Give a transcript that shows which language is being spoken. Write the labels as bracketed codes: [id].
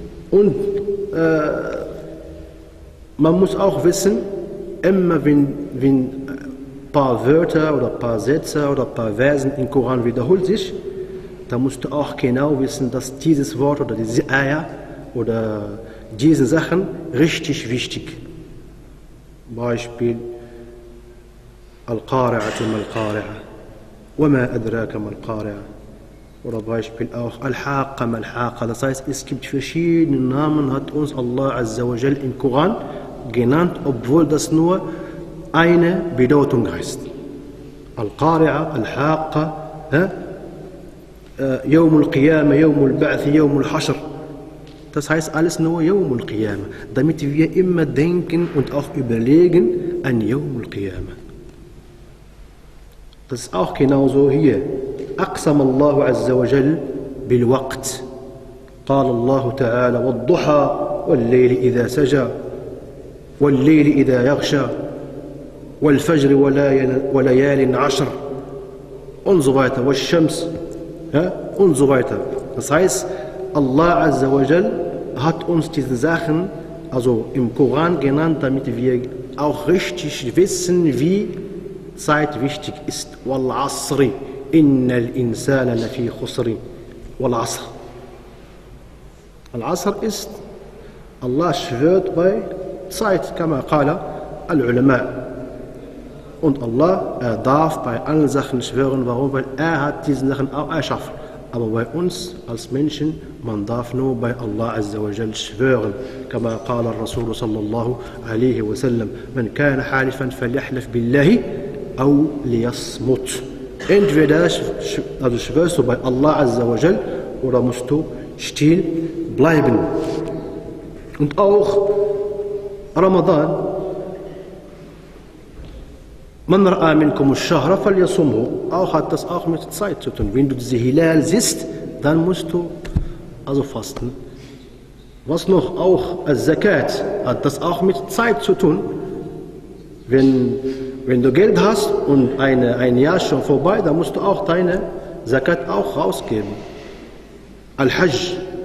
[de] Und man muss auch wissen, immer wenn ein paar Wörter oder ein paar Sätze oder ein paar Versen im Koran wiederholt sich, dann musst du auch genau wissen, dass dieses Wort oder diese Ayah oder diese Sachen richtig wichtig. [ar] Beispiel القارعه ما القارعه وما ادراك ما القارعه ورب [de] beispiel auch [ar] الحاقه ما الحاقه. [de] Das heißt, es gibt verschiedene Namen hat uns Allah Azza wa Jal im Koran genannt, obwohl das nur eine Bedeutung heißt. [ar] القارعه الحاقه يوم القيامه يوم البعث يوم الحشر. [de] Das heißt alles nur يوم القيامه, damit wir immer denken und auch überlegen an يوم القيامه. Das ist auch genauso hier. [ar] أقسم الله عز وجل بالوقت. قال الله تعالى والضحى والليل إذا سجى والليل إذا يغشى والفجر وليال عشر [de] und so weiter. والشمس und so weiter. Das heißt, Allah عز وجل hat uns diese Sachen also im Koran genannt, damit wir auch richtig wissen, wie Zeit wichtig ist. [ar] والعصر إن الإنسان لفي خسر. والعصر, العصر [de] ist Allah schwört bei Zeit, [ar] كما قال العلماء. [de] Und Allah, darf bei allen Sachen schwören. Warum? Weil hat diesen Sachen auch erschaffen. Aber bei uns als Menschen, man darf nur bei Allah Azza wa Jal schwören. [ar] كما قال الرسول صلى الله عليه وسلم من كان حالفا فليحلف بالله أو ليصمت. [de] Entweder also schwörst du bei Allah Azza wa Jal oder musst du still bleiben. Und auch Ramadan. [ar] من رأى منكم الشهر فليصمه. [de] Auch hat das auch mit Zeit zu tun. Wenn du diese Hilal siehst, dann musst du also fasten. Was noch? Auch Zakat hat das auch mit Zeit zu tun. Wenn du Geld hast und ein Jahr schon vorbei, dann musst du auch deine Zakat auch rausgeben. Al-Hajj.